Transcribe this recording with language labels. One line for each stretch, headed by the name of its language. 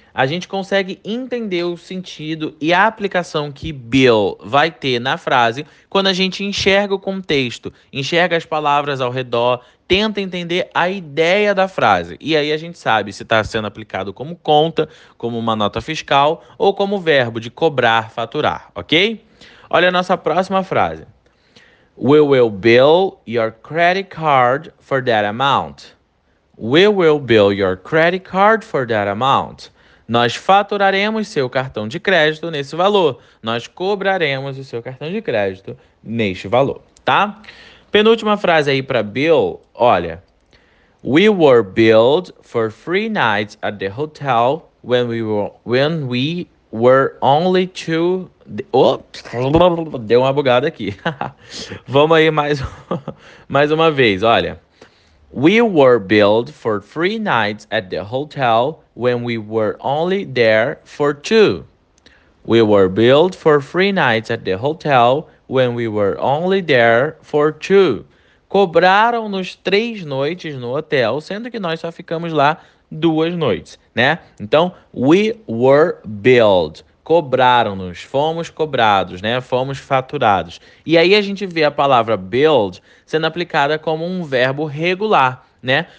Portuguese: A gente consegue entender o sentido e a aplicação que bill vai ter na frase quando a gente enxerga o contexto, enxerga as palavras ao redor, tenta entender a ideia da frase. E aí a gente sabe se está sendo aplicado como conta, como uma nota fiscal ou como verbo de cobrar, faturar, ok? Olha a nossa próxima frase.
English: We will bill your credit card for that amount. We will bill your credit card for that amount.
Portuguese: Nós faturaremos seu cartão de crédito nesse valor. Nós cobraremos o seu cartão de crédito neste valor, tá? Penúltima frase aí para bill, olha.
English: We were billed for 3 nights at the hotel when we were only two.
Portuguese: Ops, deu uma bugada aqui. Vamos aí mais uma vez, olha.
English: We were billed for 3 nights at the hotel when we were only there for two. We were billed for 3 nights at the hotel when we were only there for two.
Portuguese: Cobraram-nos 3 noites no hotel, sendo que nós só ficamos lá 2 noites, né? Então,
English: we were billed.
Portuguese: Cobraram-nos, fomos cobrados, né? Fomos faturados. E aí a gente vê a palavra billed sendo aplicada como um verbo regular, né?